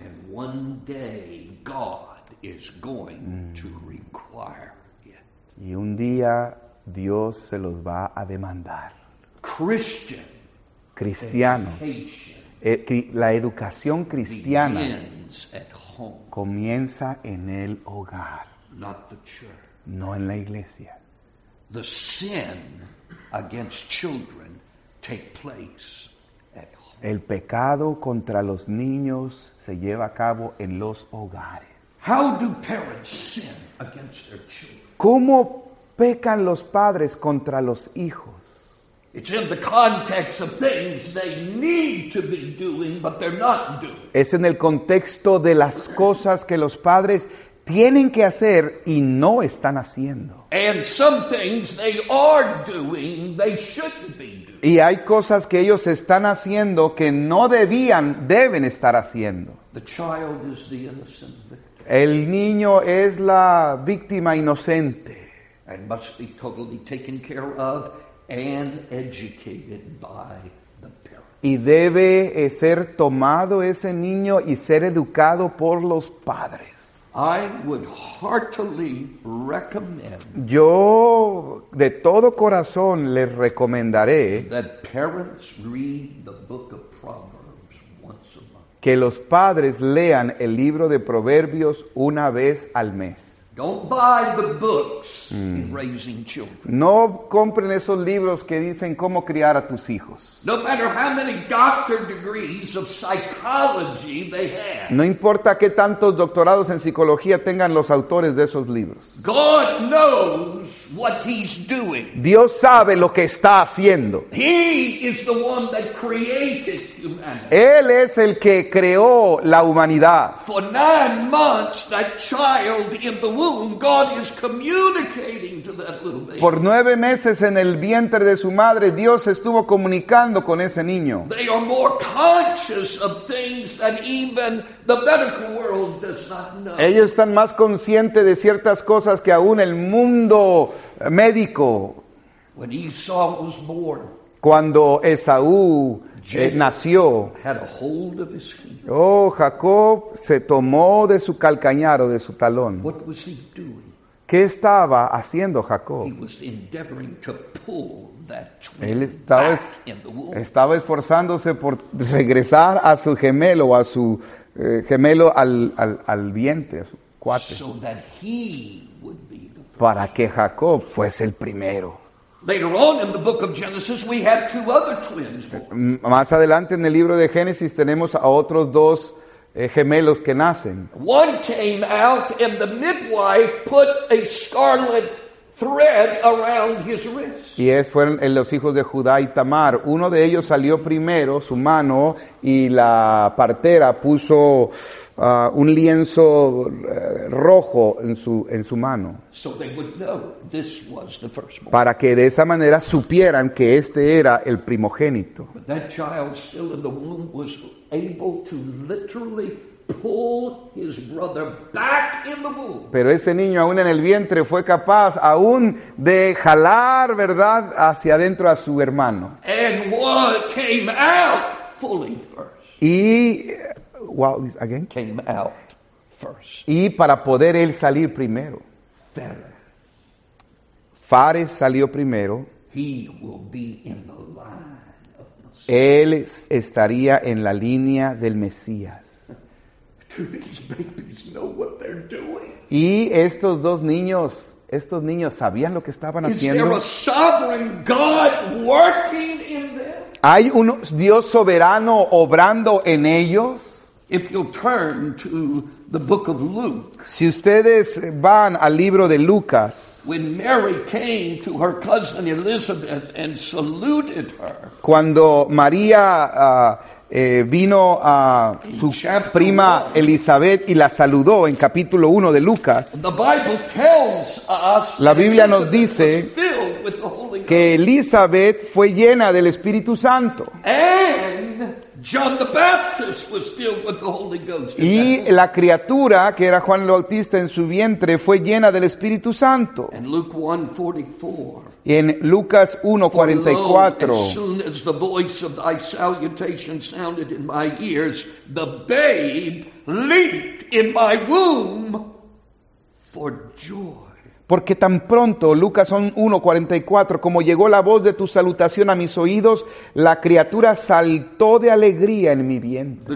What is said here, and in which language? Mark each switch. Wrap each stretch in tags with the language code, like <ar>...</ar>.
<en>And one day God is going to require it.</en> <es>Y un día Dios se los va a demandar.</es> <en>Christian,</en> <es>cristianos.</es> <en>Education.</en> <es>La educación cristiana comienza en el hogar, no en la iglesia.</es> <en>The sin against children take place at home.</en> <es>El pecado contra los niños se lleva a cabo en los hogares.</es> <en>How do parents sin against their children?</en> <es>¿Cómo pecan los padres contra los hijos?</es> <en>It's in the context of things they need to be doing, but they're not doing.</en> <es>Es en el contexto de las cosas que los padres tienen que hacer y no están haciendo.</es> <en>And some things they are doing, they shouldn't be doing.</en> <es>Y hay cosas que ellos están haciendo que no debían, deben estar haciendo.</es> <en>The child is the innocent victim.</en> <es>El niño es la víctima inocente.</es> <en>And must be totally taken care of. And educated by the parents.</en> <es>Y debe ser tomado ese niño y ser educado por los padres.</es> <en>I would heartily recommend.</en> <es>Yo de todo corazón les recomendaré</es> <en>that parents read the book of Proverbs once a month.</en> <es>Que los padres lean el libro de Proverbios una vez al mes.</es> <en>Don't buy the books raising children.</en> <es>No compren esos libros que dicen cómo criar a tus hijos.</es> <en>No matter how many doctor degrees of psychology they have.</en> <es>No importa qué tantos doctorados en psicología tengan los autores de esos libros.</es> <en>God knows what he's doing.</en> <es>Dios sabe lo que está haciendo.</es> <en>He is the one that created humanity.</en> <es>Él es el que creó la humanidad.</es> <en>For 9 months, that child in the God is communicating to that little baby.</en> <es>Por 9 meses en el vientre de su madre, Dios estuvo comunicando con ese niño.</es> <en>They are more conscious of things than even the medical world does not know.</en> <es>Ellos están más conscientes de ciertas cosas que aún el mundo médico.</es> <en>When Esau was born,</en> <es>cuando Esaú nació,</es> <en>had a hold of his feet.</en> <es>Oh, Jacob se tomó de su calcañar o de su talón.</es> <en>What was he doing?</en> <es>¿Qué estaba haciendo Jacob?</es> <en>He was endeavoring to pull that twin.</en> <es>Él estaba esforzándose por regresar a su gemelo o a su gemelo al vientre, a su cuate.</es> <en>So that he would be the first.</en> <es>Para que Jacob fuese el primero.</es> <en>Later on in the book of Genesis, we have two other twins.</en> <es>Más adelante en el libro de Génesis tenemos a otros dos gemelos que nacen.</es> <en>One came out and the midwife put a scarlet thread around his wrist.</en> <es>Y es fueron los hijos de Judá y Tamar. Uno de ellos salió primero, su mano, y la partera puso un lienzo rojo en su mano.</es> <en>So they would know this was the firstborn.</en> <es>Para que de esa manera supieran que este era el primogénito.</es> <en>But that child still in the womb was able to literally pull his brother back in the womb.</en> <es>Pero ese niño aún en el vientre fue capaz aún de jalar, ¿verdad?, hacia adentro a su hermano.</es> <en>And what came out fully first.</en> <es>Y</es> <en>well, again came out first.</en> <es>Y para poder él salir primero.</es> <en>Fares</en> <es>salió primero.</es> <en>He will be in the line of Messiah.</en> <es>Él estaría en la línea del Mesías.</es> <en>Do these babies know what they're doing?</en> <es>Y estos niños sabían lo que estaban haciendo.</es> <en>Is there a sovereign God working in them?</en> <es>¿Hay un Dios soberano obrando en ellos?</es> <en>If you'll turn to the book of Luke.</en> <es>Si ustedes van al libro de Lucas.</es> <en>When Mary came to her cousin Elizabeth and saluted her.</en> <es>Cuando María vino a su prima Elizabeth y la saludó en capítulo 1 de Lucas.</es> <en>The Bible tells us.</en> <es>La Biblia nos dice que Elizabeth fue llena del Espíritu Santo.</es> <en>And John the Baptist was filled with the Holy Ghost.</en> <es>Y la criatura que era Juan el Bautista en su vientre fue llena del Espíritu Santo.</es> <en>And Luke 1:44.</en> <es>Y en Lucas 1:44.</es> <en>As soon as the voice of thy salutation sounded in my ears, the babe leaped in my womb for joy.</en> <es>Porque tan pronto, Lucas 1:44, como llegó la voz de tu salutación a mis oídos, la criatura saltó de alegría en mi vientre.</es>